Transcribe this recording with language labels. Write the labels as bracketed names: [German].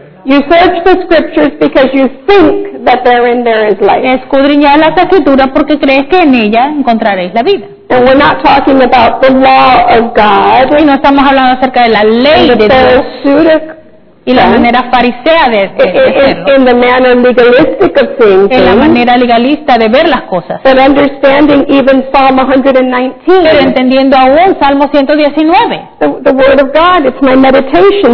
[English] You search the scriptures because you think that therein there is life. [Spanish] Escudriña las escrituras porque crees que en ella encontraréis la vida. [English] And we're not talking about the law of God. [Spanish] Y no estamos hablando acerca de la ley de Dios. Y la manera farisea de hacerlo. [English] In the manner legalistic of things. [Spanish] En la manera legalista de ver las cosas. [English] But understanding even Psalm 119. [Spanish] Pero entendiendo aún Salmo 119. [English] The word of God, it's my meditation.